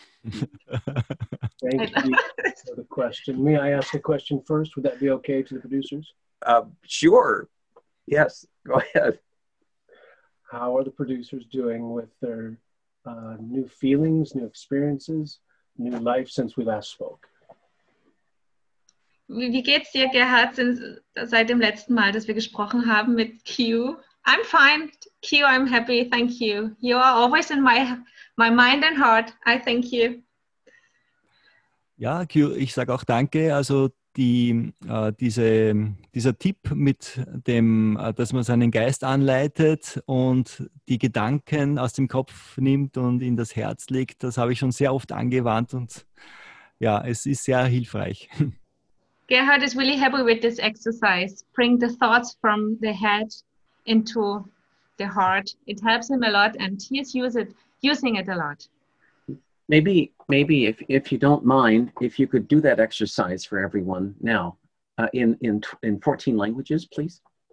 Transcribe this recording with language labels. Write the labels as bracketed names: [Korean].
[English] Thank you for the question. May I ask a question first? Would that be okay to the producers? Sure. Yes, go ahead. How are the producers doing with their new feelings, new experiences, new life since we last spoke? [German] Wie geht's dir, Gerhard, seit dem letzten Mal, dass wir gesprochen haben mit Q? [English] I'm fine. Q, I'm happy. Thank you. You are always in my mind and heart. I thank you. [German] Ja, Q, ich sage auch danke. Also dieser Tipp mit dem, dass man seinen Geist anleitet und die Gedanken aus dem Kopf nimmt und in das Herz legt, das habe ich schon sehr oft angewandt und ja, es ist sehr hilfreich. [English] Gerhard is really happy with this exercise. Bring the thoughts from the head into the heart. It helps him a lot, and he is using it a lot. Maybe if you don't mind, if you could do that exercise for everyone now, in 14 languages, please.